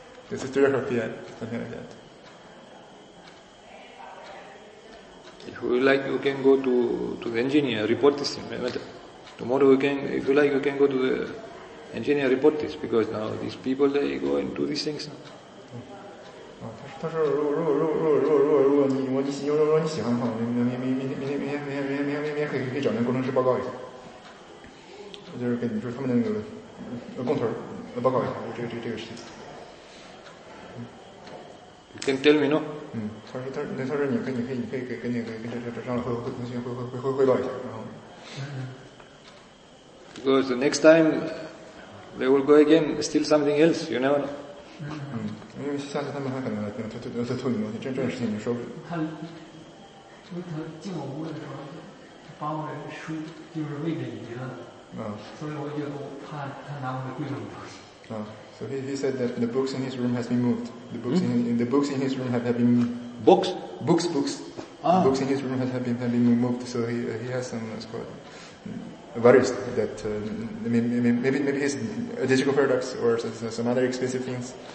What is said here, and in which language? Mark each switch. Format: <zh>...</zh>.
<en>This is 3 o'clock p.m., something like that. If you like, you can go to the engineer, report this. Tomorrow, you can go to the engineer, report this, because now these people, they go and do these things.</en> <zh>他说：“如果你喜欢的话，明天可以找那个工程师报告一下，就是给你说他们那个工头报告一下这个事情。”</zh> <en>You can tell me no。</en> <zh>嗯，他说你可以跟张老汇报一下，然后。</zh> <en>Because the next time they will go again, still something else. You never know.</en> <zh>嗯。因为下次他们还可能偷你东西，这种事情你说不准。他进我屋的时候，他把我的书，就是位置移了。嗯。所以我觉得他拿我的贵重的东西。</zh> <en>啊、，so he said that the books in his room has been moved. The books in the books in his room have been books books books.、 Ah. Books in his room have been moved. So he has some it's called worries that maybe his digital paradox or some other expensive things.</en>